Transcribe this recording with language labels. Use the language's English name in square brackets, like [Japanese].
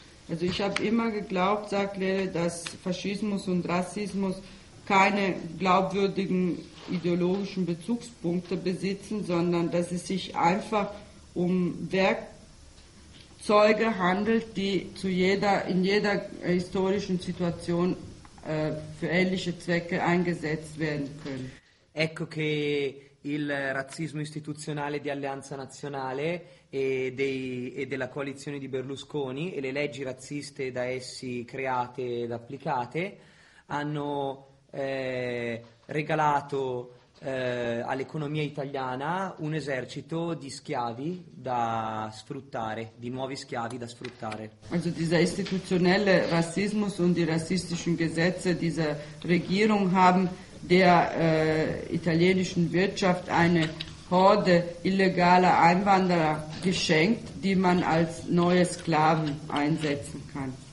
[German] Also ich habe immer geglaubt, sagt Lehre, dass Faschismus und Rassismus keine glaubwürdigen ideologischen Bezugspunkte besitzen, sondern dass es sich einfach um Werkzeuge handelt, die in jeder historischen Situation für ähnliche Zwecke eingesetzt werden können. [Italian] Ecco che il razzismo istituzionale di Alleanza Nazionale e della coalizione di Berlusconi e le leggi razziste da essi create ed applicate hanno regalato all'economia italiana un esercito di schiavi da sfruttare, di nuovi schiavi da sfruttare. [German] Also dieser institutionelle Rassismus und die rassistischen Gesetze dieser Regierung haben der italienischen Wirtschaft eine Horde illegaler Einwanderer geschenkt, die man als neue Sklaven einsetzen kann.